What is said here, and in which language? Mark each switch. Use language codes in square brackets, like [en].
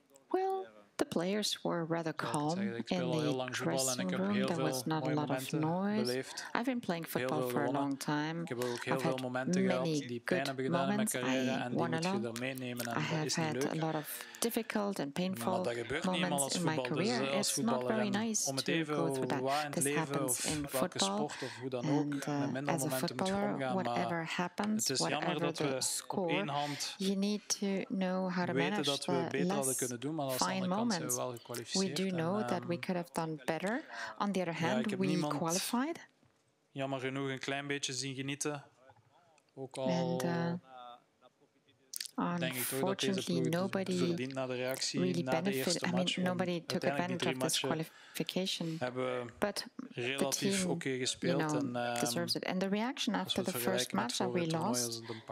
[en] Well, the players were rather calm in the dressing room. There was not a lot of noise. I've been playing football for a long time. [nl] Ik heb ook heel veel momenten gehad die pijn hebben gedaan in mijn carrière en die moet je dan meenemen. En dat is niet leuk. [en] A lot of difficult and painful moments in my career. It's not very nice to go through that. This happens in football. And as a footballer, whatever happens, whatever the score, you need to know how to manage the less fine moments. We do know that we could have done better. On the other hand, we qualified. [nl] Jammer genoeg een klein beetje zien genieten. Ook al. [en] Unfortunately, nobody really benefited. I mean, nobody took advantage of this qualification. But the team, you know, deserves it. And the reaction after the first match that we lost